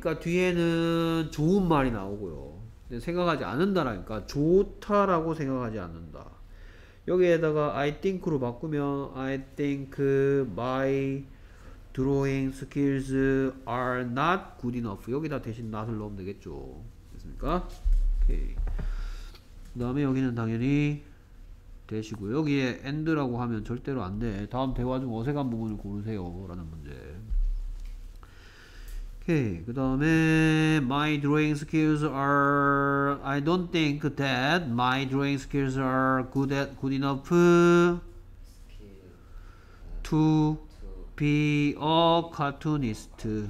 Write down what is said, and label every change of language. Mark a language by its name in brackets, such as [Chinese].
[Korean] 그러니까 뒤에는 좋은 말이 나오고요. 생각하지 않는다라니까 좋다라고 생각하지 않는다. 여기에다가 [English] I think로 [Korean] 바꾸면 [English] I think my Drawing skills are not good enough. [Korean] 여기다 대신 not을 넣으면 되겠죠. 됐습니까? 오케이. 그 다음에 여기는 당연히 되시고 여기에 end라고 하면 절대로 안 돼. 다음 대화 중 어색한 부분을 고르세요라는 문제. 오케이. [English] 그 다음에 My drawing skills are I don't think that my drawing skills are good enough to Be a cartoonist.